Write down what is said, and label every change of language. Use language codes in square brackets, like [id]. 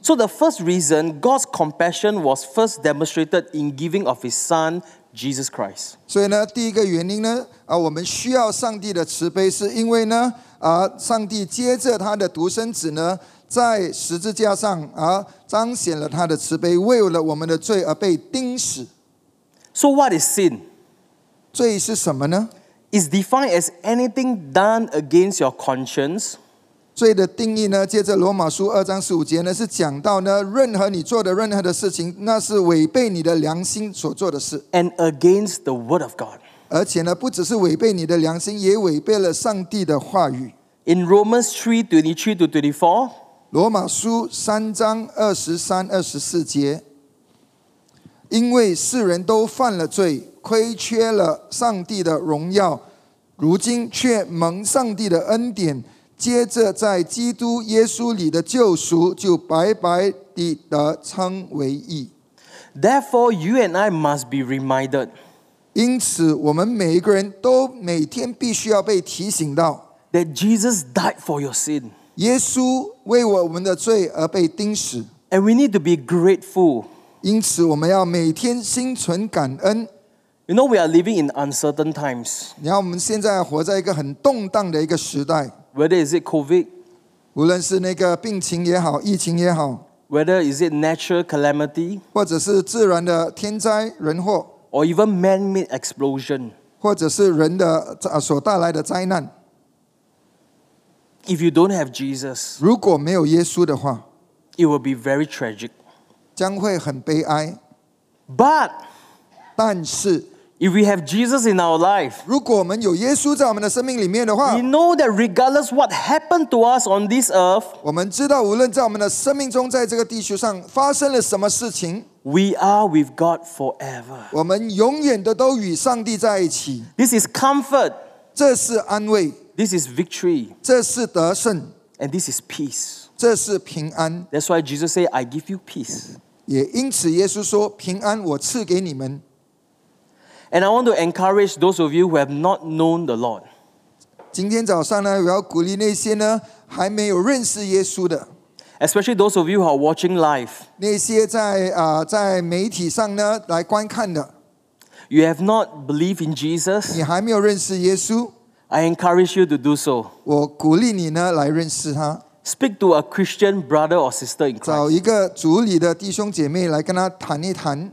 [en] So the first reason, God's compassion was first demonstrated in giving of His Son, Jesus Christ. [zh] 所以呢，第一个原因呢，我们需要上帝的慈悲，是因为呢，上帝接着他的独生子呢，在十字架上而彰显了他的慈悲，为了我们的罪而被钉死。 [en] So what is sin? [zh] 罪是什么呢？ [en] It's defined as anything done against your conscience. [zh] 罪的定义呢，借着罗马书二章十五节呢，是讲到呢，任何你做的任何的事情，那是违背你的良心所做的事。 [en] And against the word of God. [zh] 而且呢，不只是违背你的良心，也违背了上帝的话语。 [en] In Romans 3:23-24. [zh] 罗马书三章二十三、二十四节，因为世人都犯了罪，亏缺了上帝的荣耀，如今却蒙上帝的恩典。接着在基督耶稣里的救赎就白白地得称为义。 [en] Therefore you and I must be reminded. [zh] 因此我们每一个人都每天必须要被提醒到。 [en] That Jesus died for your sin. [zh] 耶稣为我们的罪而被钉死。 [en] And we need to be grateful. [zh] 因此我们要每天心存感恩。 [en] You know we are living in uncertain times. [zh] 你看我们现在活在一个很动荡的一个时代。 [en] Whether is it COVID? [zh] 无论是那个病情也好，疫情也好。 [en] Whether is it natural calamity? [zh] 或者是自然的天灾人祸。 [en] Or even man-made explosion? [zh] 或者是人的所带来的灾难。 [en] If you don't have Jesus, [zh] 如果没有耶稣的话， [en] it will be very tragic. [zh] 将会很悲哀。 [en] But, [zh] 但是 [en] If we have Jesus in our life, [zh] 如果我们有耶稣在我们的生命里面的话， [en] we know that regardless what happened to us on this earth, [zh] 我们知道无论在我们的生命中，在这个地球上发生了什么事情， [en] we are with God forever. [zh] 我们永远的都与上帝在一起。 [en] This is comfort. [zh] 这是安慰。 [en] This is victory. [zh] 这是得胜。 [en] And this is peace. [zh] 这是平安。 [en] That's why Jesus said, I give you peace. [zh] 也因此耶稣说，平安我赐给你们。 [en] And I want to encourage those of you who have not known the Lord. [zh] 今天早上呢，我要鼓励那些呢还没有认识耶稣的。 [en] Especially those of you who are watching live. [zh] 那些在在媒体上呢来观看的。 [en] You have not believed in Jesus. [zh] 你还没有认识耶稣。 [en] I encourage you to do so. [zh] 我鼓励你呢来认识他。 [en] Speak to a Christian brother or sister in Christ. [zh] 找一个主里的弟兄姐妹来跟他谈一谈。